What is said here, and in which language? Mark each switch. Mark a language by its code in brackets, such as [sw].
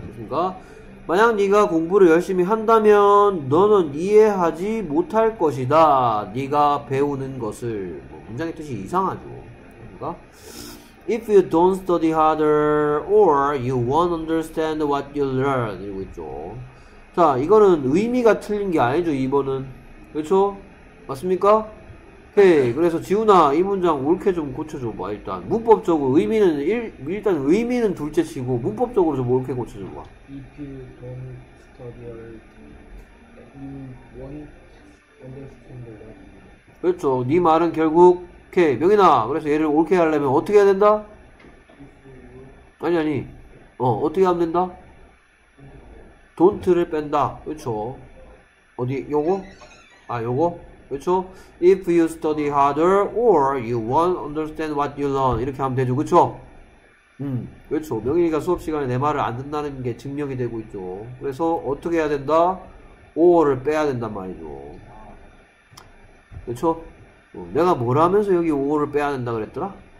[ko] 그러니까 만약 네가 공부를 열심히 한다면 너는 이해하지 못할 것이다. 네가 배우는 것을. 뭐 문장의 뜻이 이상하죠. 그러니까 [en] If you don't study harder or you won't understand what you learn [ko] 이러고 있죠. 자, 이거는 의미가 틀린 게 아니죠. 이번은. 그렇죠? 맞습니까? 네. 그래서 지훈아 이 문장 옳게 좀 고쳐줘 봐. 일단 문법적으로 의미는 일단 의미는 둘째치고 문법적으로 좀 옳게 고쳐줘 봐. [en] If you don't study you won't understand that. [ko] 그렇죠. 네 말은 결국 오케이 명인아 그래서 얘를 옳게 하려면 어떻게 해야 된다? 아니 어떻게 하면 된다? Don't를 뺀다. 그렇죠. 어디 요거? 아 요거? 그렇죠? [en] If you study harder or you won't understand what you learn [ko] 이렇게 하면 되죠. 그렇죠? 그렇죠. 명인이가 수업 시간에 내 말을 안 듣는다는 게 증명이 되고 있죠. 그래서 어떻게 해야 된다? or를 빼야 된단 말이죠. 그렇죠? 내가 뭘 하면서 여기 or를 빼야 된다 그랬더라?